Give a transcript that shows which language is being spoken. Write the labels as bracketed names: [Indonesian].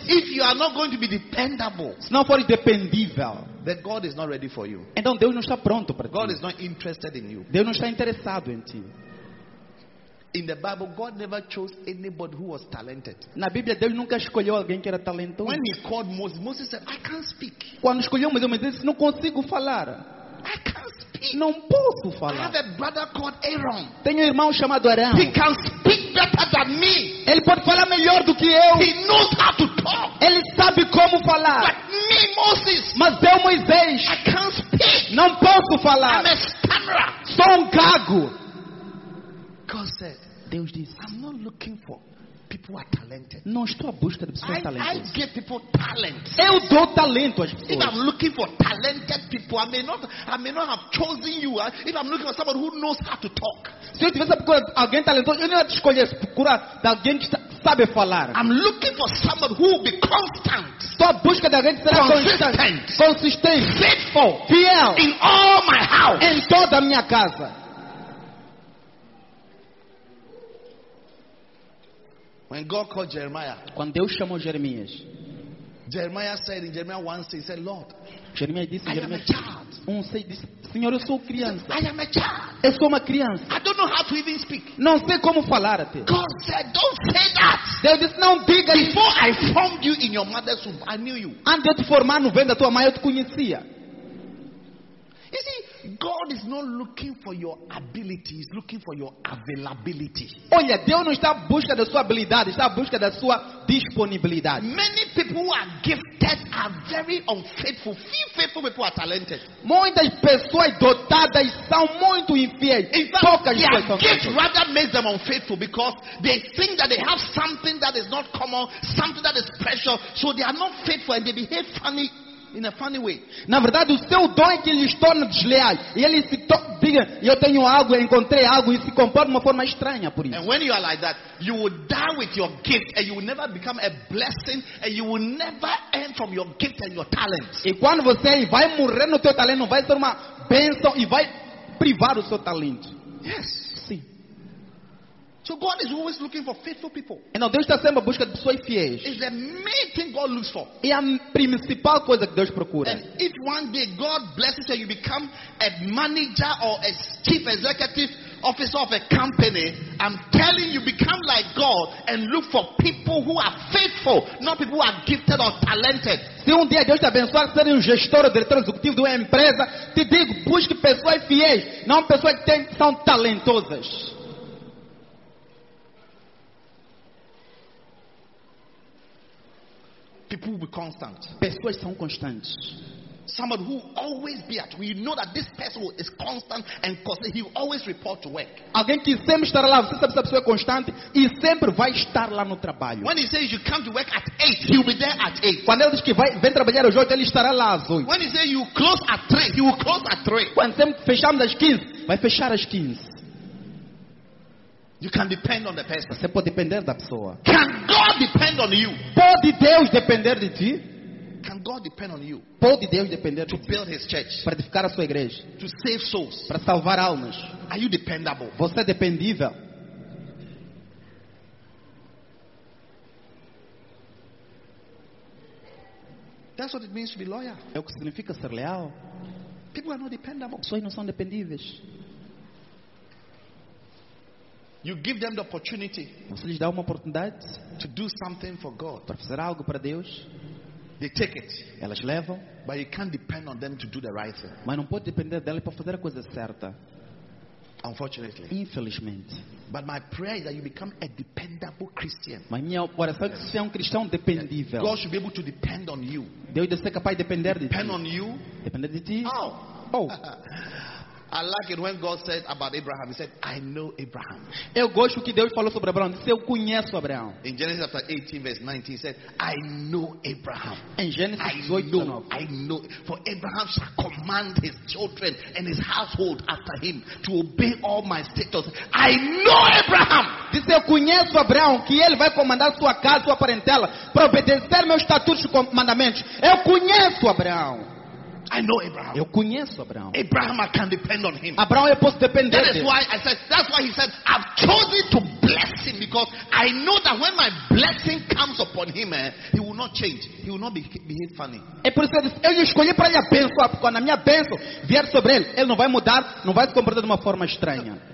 [English] If you are not going to be dependable, [Portuguese] se não fores dependível. [English] That God is not ready for you. [Portuguese] Então Deus não está pronto para ti. [English] God is not interested in you. [Portuguese] Deus não está interessado em ti. [English] In the Bible, God never chose anybody who was talented. [Portuguese] Na Bíblia Deus nunca escolheu alguém que era talentoso. [English] When He called Moses, Moses said, "I can't speak." [Portuguese] Quando escolheu Moses, ele disse, "Não consigo falar." [English] I can't speak. [Portuguese] Não posso falar. [English] I have a brother called Aaron. [Portuguese] Tenho irmão chamado Arão. [English] He can speak better than me. [Portuguese] Ele pode falar melhor do que eu. [English] He knows how to talk. [Portuguese] Ele sabe como falar. [English] But me, Moses. [Portuguese] Mas eu, Moisés. [English] I can't speak. [Portuguese] Não posso falar. [English] I'm a stammerer. [Portuguese] Sou gago. [English] God said, [Portuguese] Deus disse, [English] I'm not looking for people who are talented. [Portuguese] Não estou à busca de pessoas talentosas. [English] I give people talent. [Portuguese] Eu dou talento às pessoas. [English] If I'm looking for talented people, I may not have chosen you. If I'm looking for someone who knows how to talk. [Portuguese] Se eu tivesse procurado alguém talentoso, eu não ia te escolher. Procura de alguém que sabe falar. [English] I'm looking for someone who will be constant. [Portuguese] Estou à busca de alguém que será consistente, [English] faithful, [Portuguese] fiel, [English] in all my house, [Portuguese] em toda a minha casa. [English] When God called Jeremiah, [Portuguese] quando Deus chamou Jeremias, [English] Jeremiah said in Jeremiah 1:6, he said, "Lord, [Portuguese] Jeremiah disse, [English] I [Portuguese] Jeremiah, [English] am a child. [Portuguese] Senhor, eu sou criança. [English] Said, I am a child. [Portuguese] Eu sou uma criança. [English] I don't know how to even speak. [Portuguese] Não sei como falar até. [English] God said, don't say that. [Portuguese] Deus disse, não diga. [English] Before I formed you in your mother's womb, I knew you. [Portuguese] Antes de te formar no ventre da tua mãe, eu te conhecia. [English] You see, God is not looking for your ability, He's looking for your availability. [Portuguese] Olha, Deus não está à busca da sua habilidade, está à busca da sua disponibilidade. [English] Many people who are gifted are very unfaithful. Few faithful people are talented. [Portuguese] Muitas pessoas dotadas são muito infiéis. [English] In fact, [Portuguese] poucas [English] their [Portuguese] pessoas [English] gift rather makes them unfaithful because they think that they have something that is not common, something that is precious, so they are not faithful and they behave funny. In a funny way. [Portuguese] Na verdade, o seu dom é que lhes torna desleais. E eles se digam, eu tenho algo, eu encontrei algo e se comportam de uma forma estranha por isso. [English] And when you are like that, you will die with your gift and you will never become a blessing and you will never earn from your gift and your talent. [Portuguese] E quando você vai morrer no teu talento, vai ser uma bênção e vai privar o seu talento. [English] Yes. [Portuguese] Sim. [English] So God is always looking for faithful people. [Portuguese] Então Deus está sempre à busca de pessoas fiéis. [English] It's the main thing God looks for. [Portuguese] É a principal coisa que Deus procura. [English] And if one day God blesses you, you become a manager or a chief executive officer of a company, I'm telling you, become like God and look for people who are faithful, not people who are gifted or talented. [Portuguese] Se dia Deus te abençoar, ser um gestor ou diretor executivo de uma empresa, te digo, busque pessoas fiéis, não pessoas que são talentosas. [English] People will be constant. [Portuguese] Pessoas são constantes. [English] Someone who will always be at work. You know that this person is constant and constant. He will always report to work. [Portuguese] Alguém que sempre estará lá. Você sabe se a pessoa é constante e sempre vai estar lá no trabalho. [English] When he says you come to work at 8, he will be there at 8. [Portuguese] Quando ele diz que vem trabalhar hoje, ele estará lá às 8. [English] When he says you close at 3, he will close at 3. [Portuguese] Quando sempre fechamos às 15, vai fechar às 15. [English] You can depend on the person. [Portuguese] Você pode depender da pessoa. [English] Can God depend on you? [Portuguese] Pode Deus depender de ti? [English] Can God depend on you? [Portuguese] Pode Deus depender [English] to [Portuguese] de [English] build [Portuguese] ti? [English] His church. [Portuguese] Para edificar a sua igreja. [English] To save souls. [Portuguese] Para salvar almas. [English] Are you dependable? [Portuguese] Você é dependível? [English] That's what it means to be loyal. [Portuguese] É o que significa ser leal. [English] People are not dependable. [Portuguese] Pessoas não são dependíveis. [English] You give them the opportunity. [Portuguese] Você lhes dá uma oportunidade [English] to do something for God. [Portuguese] Para fazer algo para Deus. [English] They take it. [Portuguese] Elas levam. [English] But you can't depend on them to do the right thing. [Portuguese] Mas não pode depender dela para fazer a coisa certa. [English] unfortunately. [Portuguese] Infelizmente. [English] But my prayer is that you become a dependable Christian. [Portuguese] Mas minha oração é que você é cristão dependível. [English] God should be able to depend on you. [Portuguese] Deus deve ser capaz de depender de ti. [English] Depend on you. [Portuguese] Depender de ti. [English] Oh. [Portuguese] Oh. [English] I like it when God says about Abraham. He said, "I know Abraham." [Portuguese] Eu gosto que Deus falou sobre Abraão. Disse, eu conheço Abraão. [English] In Genesis chapter 18, verse 19, he said, "I know Abraham." [Portuguese] Em Gênesis 18, [English] I know. For Abraham shall command his children and his household after him to obey all my statutes. I know Abraham. [Portuguese] Disse, eu conheço Abraão, que ele vai comandar sua casa, sua parentela, para obedecer meus estatutos e mandamentos. Eu conheço Abraão. [English] I know Abraham. [Portuguese] Eu conheço Abraão. [English] Abraham, I can depend on him. [Portuguese] Abraão, eu posso depender dele. [English] That's why he said, I've chosen to bless him because I know that when my blessing comes upon him, he will not change. He will not behave funny. [Portuguese] É por isso que eu escolhi para ele abençoar, porque quando a minha bênção vier sobre ele, ele não vai mudar, não vai se comportar de uma forma estranha.